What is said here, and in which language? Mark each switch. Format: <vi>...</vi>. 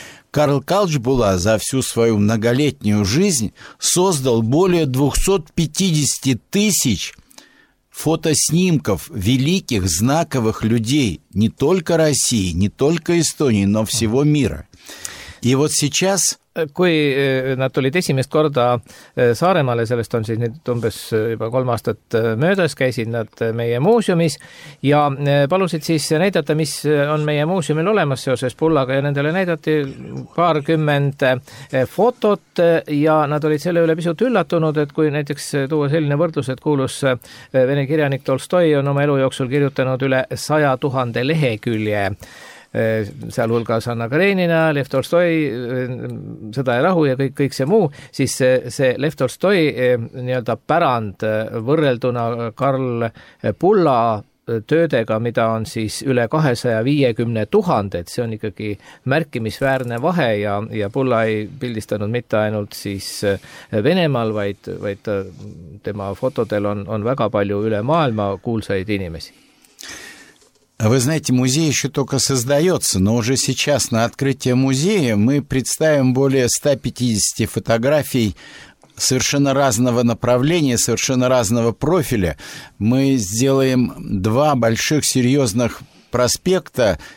<ru>Карл Калч Була за всю свою многолетнюю жизнь создал более 250 тысяч фотоснимков великих, знаковых людей не только России, не только Эстонии, но всего мира. И вот сейчас...</ru> <et>Kui nad tulid esimest korda Saaremaale, sellest on siis nüüd umbes juba 3 aastat möödas, käisid nad meie muuseumis ja palusid siis näidata, mis on meie muuseumil olemas seoses Pullaga ja nendele näidati 20 fotot ja nad olid selle üle pisut üllatunud, et kui näiteks tuua selline võrdlus, et kuulus Vene kirjanik Tolstoi on oma elu jooksul kirjutanud üle 100 000 lehekülje, seal hulgas Anna Karenina, Lev Tolstoi, Sõda ja rahu ja kõik see muu, siis see Lev Tolstoi nii-öelda pärand võrrelduna Karl Pulla töödega, mida on siis üle 250 000, see on ikkagi märkimisväärne vahe ja Pulla ei pildistanud mitte ainult siis Venemaal, vaid tema fotodel on väga palju üle maailma kuulsaid inimesi.</et> <ru>Вы знаете, музей еще только создается, но уже сейчас на открытие музея мы представим более 150 фотографий совершенно разного направления, совершенно разного профиля. Мы сделаем 2 больших серьезных проспекта.</ru>